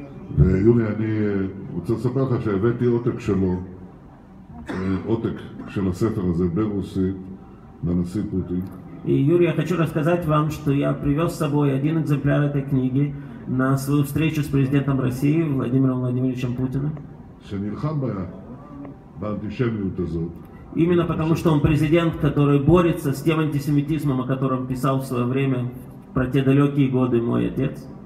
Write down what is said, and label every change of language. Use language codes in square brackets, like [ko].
[ru] Юрий, я хочу сказать, что я взял отек его, отек [he] של הספר הזה ברוסית, לנשיא פוטין. [ru] И Юрий, я хочу рассказать вам, что я привез с собой один экземпляр этой книги на свою встречу с президентом России Владимиром Владимировичем Путиным. [he] שנלחם בה, באנטישמיות הזאת. [ru] Именно потому, что он президент, который борется с тем антисемитизмом, о котором писал в свое время, про те далекие годы, мой отец.